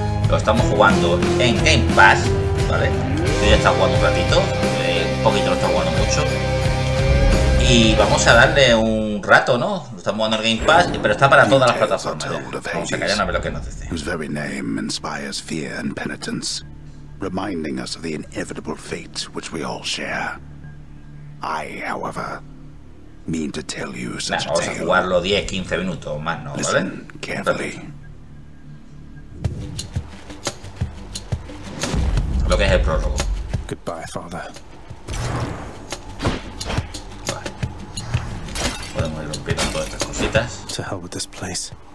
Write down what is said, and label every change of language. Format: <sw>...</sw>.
<es>Lo estamos jugando en Game Pass, ¿vale? Yo ya estaba jugando un ratito, poquito lo estaba jugando mucho. Y vamos a darle un rato, ¿no? Lo estamos jugando en Game Pass, pero está para todas las plataformas. Vamos a callar a ver lo que nos dice. Su propio nombre inspira fear y penitencia.</es> <en>Reminding us of the inevitable fate which we all share. I, however, mean to tell you such a tale.</en> <es>Vamos a jugarlo 10-15 minutos más, ¿no?</es> <en>¿Vale? Listen carefully.</en> <es>Lo que es el prólogo.</es> <en>Goodbye, father.</en> <es>Podemos ir rompiendo todas estas cositas.</es> <en>To hell with this place.</en>